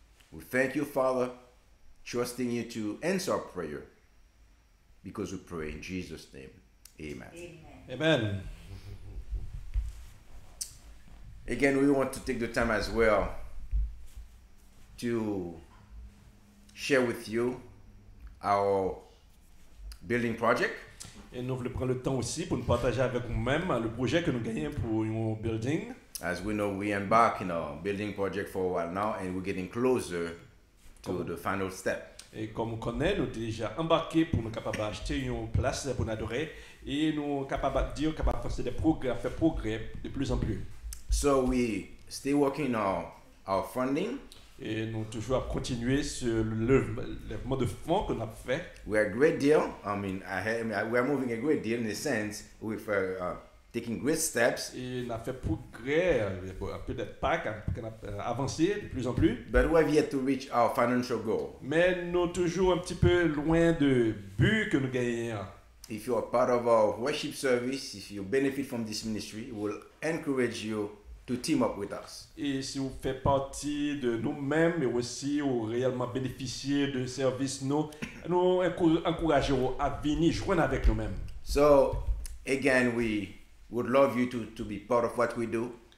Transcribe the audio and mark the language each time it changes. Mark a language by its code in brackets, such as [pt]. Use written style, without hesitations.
[en] We thank you, Father, trusting you to answer our prayer, because we pray in Jesus' name. Amen. Amen. Amen. Again, we want to take the time as well to share with you our building project. [fr] Et nous voulons prendre le temps aussi pour nous partager avec vous-même le projet que nous gagnons pour un building. [en] As we know, we embark in our building project for a while now, and we're getting closer to the final step. [fr] Et comme on connaît, nous déjà embarqué pour nous capable acheter une place pour adorer, et nous capable dire capable faire des progrès, faire progrès de plus en plus. [en] So we still working on our funding. [fr] Et nous toujours à continuer sur le lèvement de fonds qu'on a fait. [en] We're a great deal. We're moving a great deal in the sense with. Taking great steps. [fr] Il a fait progrès, un peu de pas, qu'on a avancé de plus en plus. [en] But we have yet to reach our financial goal. [fr] Mais nous toujours un petit peu loin de but que nous gagnons. [en] If you are part of our worship service, if you benefit from this ministry, we will encourage you to team up with us. [fr] Et si vous faites partie de nous-mêmes, mais aussi vous réellement bénéficiez de services, nous encourageons à venir joindre avec nous-mêmes. [en] So, again, we would love you to be part of what we do.